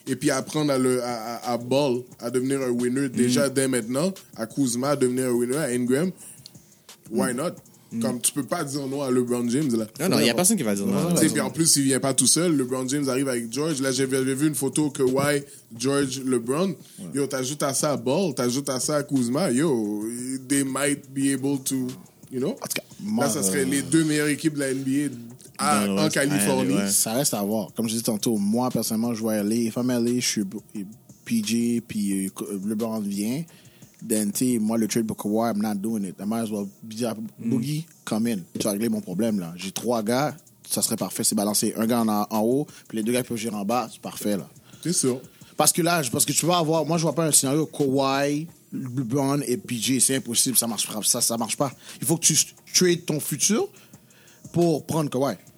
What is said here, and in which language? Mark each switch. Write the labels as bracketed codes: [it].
[fr] Et puis apprendre à Ball à devenir un winner déjà dès maintenant, à Kuzma à devenir un winner, à Ingram, [en] why not? [fr] Comme tu peux pas dire non à LeBron James là. Non, il y a personne qui va dire non. Tu sais, puis en plus, il vient pas tout seul. LeBron James arrive avec George. Là, j'avais vu une photo que Kawhi, George, LeBron. Ouais. Yo, t'ajoutes à ça à Ball, t'ajoutes à ça à Kuzma. [en] Yo, they might be able to, you know. [fr] En tout cas, là, ça serait les deux meilleures équipes de la NBA en Californie. Ça reste à voir. Comme je disais tantôt, moi, personnellement, je vais aller. [en] If I'm [fr] LA, je suis PG, puis LeBron vient. [en] Then, [fr] tu sais, moi, le trade pour Kawhi, [en] I'm not doing it. I might as well be a boogie, come in. [fr] Tu as réglé mon problème, là. J'ai trois gars, ça serait parfait. C'est balancer un gars en haut, puis les deux gars qui peuvent gérer en bas, c'est parfait, là. C'est sûr. Parce que tu vas avoir. Moi, je vois pas un scénario Kawhi, LeBron et PG. C'est impossible, ça marche pas. Il faut que tu trades ton futur pour prendre Kawhi.